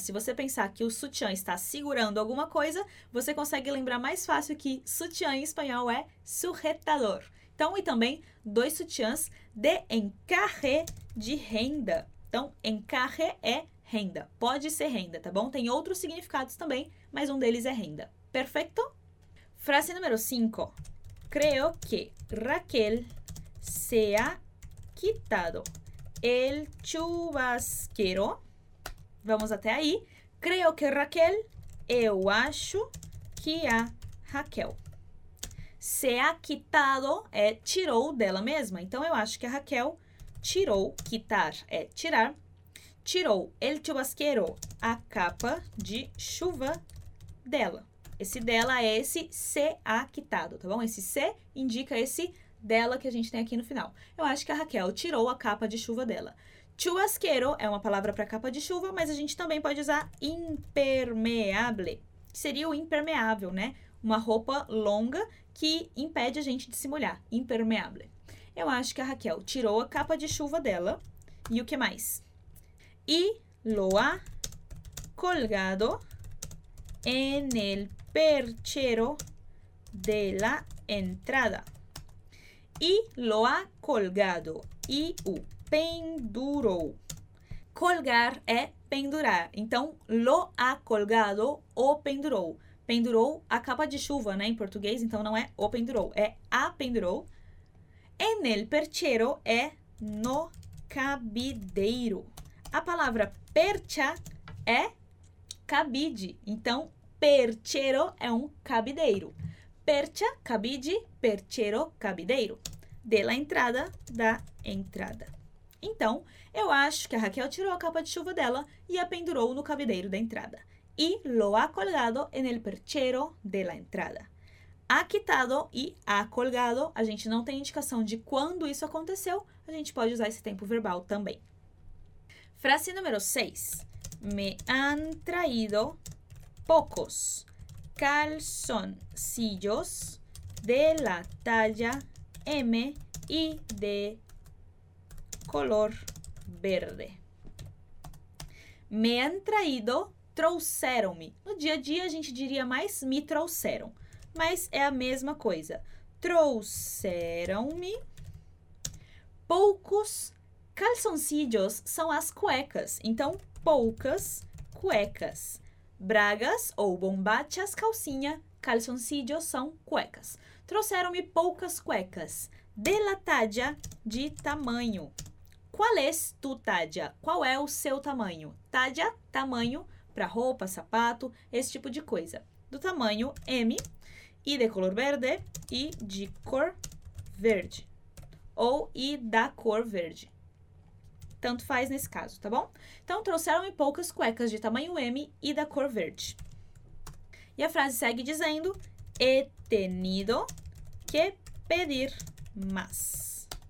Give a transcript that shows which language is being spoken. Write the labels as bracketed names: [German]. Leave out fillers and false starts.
[Portuguese] Se você pensar que o sutiã está segurando alguma coisa, você consegue lembrar mais fácil que sutiã em espanhol é sujetador. Então, e também 2 sutiãs de encaje, de renda. Então, encaje é renda. Pode ser renda, tá bom? Tem outros significados também, mas um deles é renda. Perfeito? Frase número 5. [Spanish] Creo que Raquel se ha quitado el chubasquero. [Portuguese] Vamos até aí. [Spanish] Creo que Raquel, [Portuguese] eu acho que a Raquel. [Spanish] Se ha quitado [Portuguese] é tirou dela mesma. Então, eu acho que a Raquel tirou, quitar é tirar. Tirou el chubasquero, a capa de chuva dela. Esse dela é esse se ha quitado, tá bom? Esse se indica esse dela que a gente tem aqui no final. Eu acho que a Raquel tirou a capa de chuva dela. Chubasquero é uma palavra para capa de chuva, mas a gente também pode usar impermeable, que seria o impermeável, né? Uma roupa longa que impede a gente de se molhar. Impermeable. Eu acho que a Raquel tirou a capa de chuva dela. E o que mais? [Spanish] E lo ha colgado en el perchero de la entrada. Y lo ha colgado. Y [Portuguese] o pendurou. Colgar é pendurar. Então, [Spanish] lo ha colgado [Portuguese] o pendurou. Pendurou a capa de chuva, né? Em português, então não é o pendurou. É a pendurou. En el perchero é no cabideiro. A palavra percha é cabide. Então, perchero é um cabideiro. Percha, cabide, perchero, cabideiro. De la entrada, da entrada. Então, eu acho que a Raquel tirou a capa de chuva dela e a pendurou no cabideiro da entrada. [Spanish] E lo ha colgado en el perchero de la entrada. Ha quitado e ha colgado. [Portuguese] A gente não tem indicação de quando isso aconteceu. A gente pode usar esse tempo verbal também. Frase número 6. [Spanish] Me han traído pocos calzoncillos de la talla M y de color verde. Me han traído, [Portuguese] trouxeram-me. No dia a dia a gente diria mais me trouxeram, mas é a mesma coisa. Trouxeram-me poucos calzoncillos, são as cuecas, então poucas cuecas. Bragas ou bombachas, calcinha, calzoncillos são cuecas. Trouxeram-me poucas cuecas. De la talla, de tamanho. [Spanish] Qual é tu talla? [Portuguese] Qual é o seu tamanho? Talla, tamanho, para roupa, sapato, esse tipo de coisa. do tamanho M, I de color verde e de cor verde. Ou I da cor verde. Tanto faz nesse caso, tá bom? Então, trouxeram-me poucas cuecas de tamanho M e da cor verde. E a frase segue dizendo, [Spanish] he tenido que pedir más.